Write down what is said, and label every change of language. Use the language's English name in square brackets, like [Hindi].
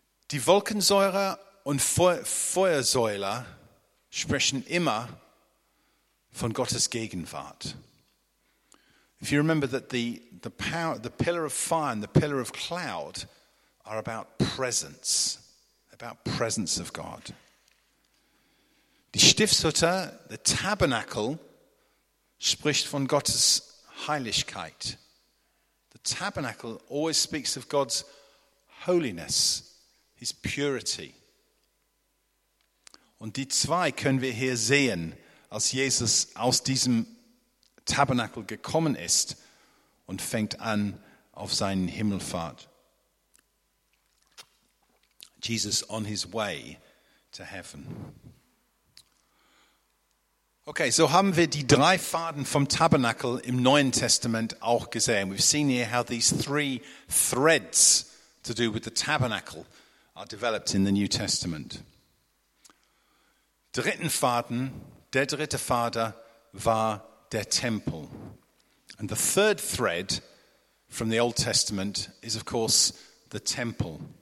[German] Die Wolkensäure und Feuersäule sprechen immer von Gottes Gegenwart. [English] If you remember that the pillar of fire and the pillar of cloud are about presence of God. [German] Die Stiftshütte, [English] the tabernacle, [German] spricht von Gottes Heiligkeit. [English] The tabernacle always speaks of God's holiness, his purity. [German] Und die zwei können wir hier sehen, als Jesus aus diesem Tabernakel gekommen ist und fängt an auf seinen Himmelfahrt. [English] Jesus on his way to heaven. [German] Okay, so haben wir die drei Faden vom Tabernakel im Neuen Testament auch gesehen. [English] We've seen here how these three threads to do with the tabernacle are developed in the New Testament. [German] Der dritte Faden war der Tempel. [English] And the third thread from the Old Testament is of course the temple.